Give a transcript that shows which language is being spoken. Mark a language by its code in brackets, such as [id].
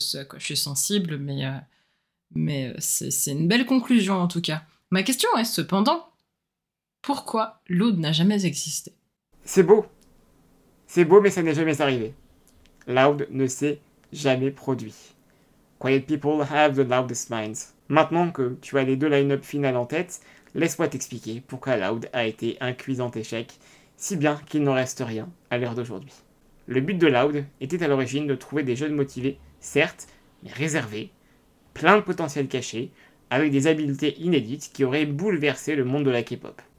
[fr] ce à quoi je suis sensible, mais c'est une belle conclusion en tout cas. Ma question est cependant, pourquoi l'Aude n'a jamais existé ? C'est beau, mais ça n'est jamais arrivé. L'Aude ne s'est jamais produit. [en] Quiet people have the loudest minds. [fr] Maintenant que tu as les deux line-up finales en tête, laisse-moi t'expliquer pourquoi l'Aude a été un cuisant échec, si bien qu'il n'en reste rien à l'heure d'aujourd'hui. Le but de l'Aude était à l'origine de trouver des jeunes motivés, certes, mais réservés, plein de potentiel caché, avec des habiletés inédites qui auraient bouleversé le monde de la K-pop.